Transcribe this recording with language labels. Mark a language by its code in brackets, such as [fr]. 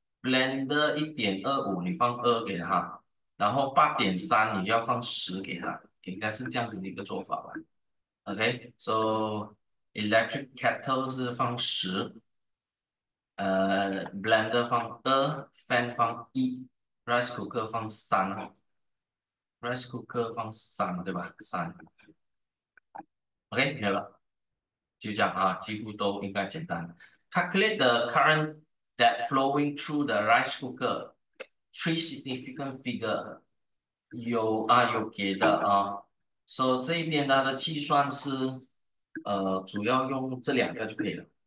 [zh] Blender 1.25，你放2给它。然后8.3，你要放10给它，应该是这样子的一个做法吧？OK，so、okay? electric kettle 是放10，Blender 放 2，fan 放1，rice cooker 放3。 Rice cooker 放三对吧？三，OK，没了，就这样啊，几乎都应该简单。 [en] Calculate the current that flowing through the rice cooker. Three significant figure [zh] 有给的啊。 So 这一边它的计算是，主要用这两个就可以了。